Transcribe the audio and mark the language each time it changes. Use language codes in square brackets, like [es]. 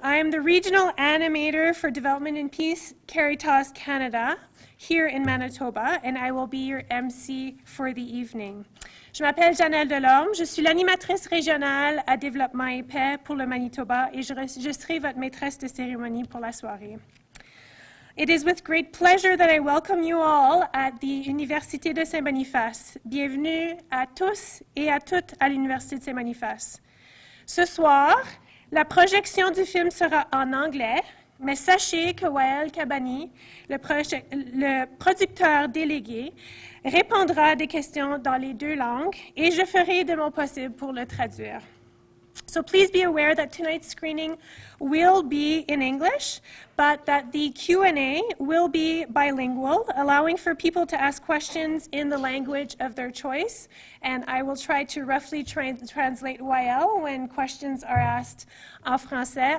[en] I am the Regional Animator for Development and Peace, Caritas Canada, here in Manitoba, and I will be your MC for the evening. [fr] Je m'appelle Janelle Delorme. Je suis l'animatrice régionale à Développement et Paix pour le Manitoba, et je serai votre maîtresse de cérémonie pour la soirée. [en] It is with great pleasure that I welcome you all at the Université de Saint-Boniface. [fr] Bienvenue à tous et à toutes à l'Université de Saint-Boniface. Ce soir, la projection du film sera en anglais, mais sachez que Waël Kabbani, le producteur délégué, répondra à des questions dans les deux langues et je ferai de mon possible pour le traduire. [en] So please be aware that tonight's screening will be in English, but that the Q&A will be bilingual, allowing for people to ask questions in the language of their choice. And I will try to roughly translate YL when questions are asked [fr] en français.